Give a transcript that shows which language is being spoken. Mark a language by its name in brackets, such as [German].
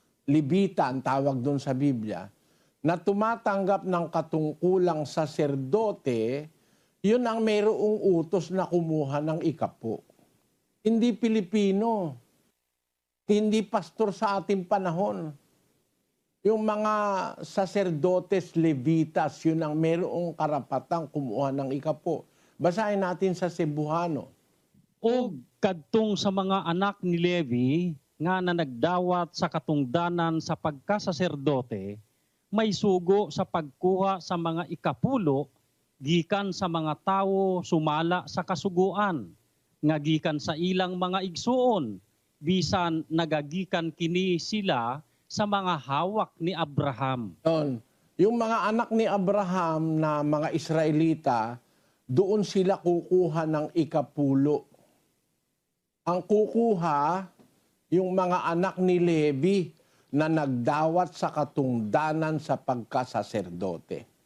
[Filipino] Levita ang tawag doon sa Biblia, na tumatanggap ng katungkulang saserdote, yun ang mayroong utos na kumuha ng ikapo. Hindi Pilipino. Hindi pastor sa ating panahon. Yung mga saserdotes levitas, yun ang mayroong karapatang kumuha ng ikapo. Basahin natin sa Cebuano. [Cebuano] O kadtong sa mga anak ni Levi, nga na nagdawat sa katungdanan sa pagkasaserdote, may sugo sa pagkuha sa mga ikapulo, gikan sa mga tao sumala sa kasuguan, nga gikan sa ilang mga igsuon, bisan nagagikan kini sila sa mga hawak ni Abraham. [Filipino] Yung mga anak ni Abraham na mga Israelita, doon sila kukuha ng ikapulo. Ang kukuha, yung mga anak ni Levi na [Cebuano] nagdawat sa katungdanan sa pagkasaserdote.